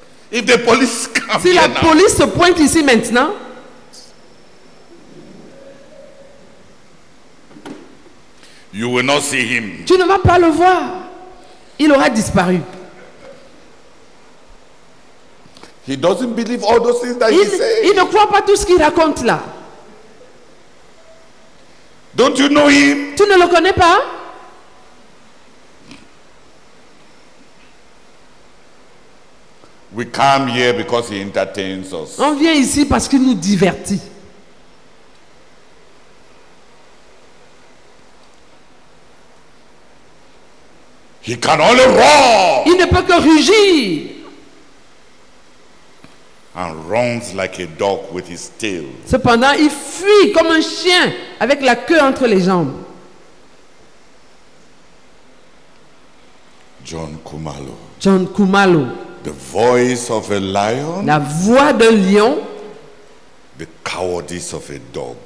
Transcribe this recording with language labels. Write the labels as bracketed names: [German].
[English] If the police come [French] si la police [English] now, [French] se pointe ici maintenant, [English] you will not see him. [French] Tu ne vas pas le voir. Il aura disparu. [English] He doesn't believe all those things that he says. [French] Il ne croit pas tout ce qu'il raconte là. [English] Don't you know him? [French] Tu ne le connais pas? [English] We come here because he entertains us. [French] On vient ici parce qu'il nous divertit. [English] He can only roar. [French] Il ne peut que rugir. [English] And runs like a dog with his tail. [French] Cependant, il fuit comme un chien avec la queue entre les jambes. [English] John Kumalo. The voice of a lion. [French] La voix d'un lion. [English] The cowardice of a dog.